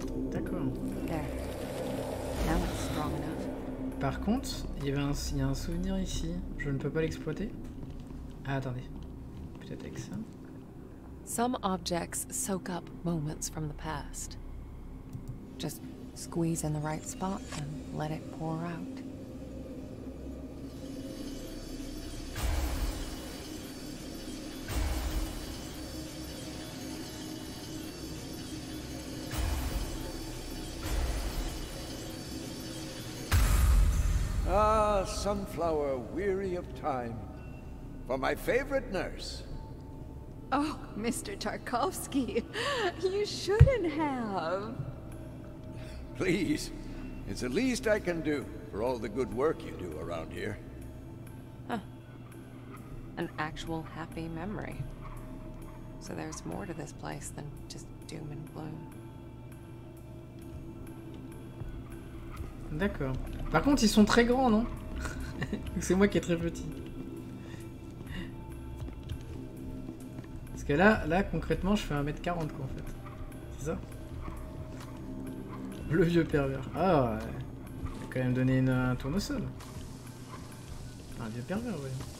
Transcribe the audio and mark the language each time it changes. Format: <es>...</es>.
<fr>D'accord. Par contre il y, il y a un souvenir ici, je ne peux pas l'exploiter. Ah attendez.</fr> <en>Some objects soak up moments from the past. Just squeeze in the right spot and let it pour out. Ah, sunflower weary of time. For my favorite nurse. Oh, Mr. Tarkovsky, you shouldn't have. Please, it's the least I can do for all the good work you do around here. Huh. An actual happy memory. So there's more to this place than just doom and gloom.</en> <fr>D'accord. Par contre, ils sont très grands, non? C'est moi qui est très petit. Parce que là, concrètement, je fais 1m40 quoi en fait. C'est ça? Le vieux pervers. Ah ouais. Il a quand même donné une, un tournesol. Un vieux pervers, ouais.</fr>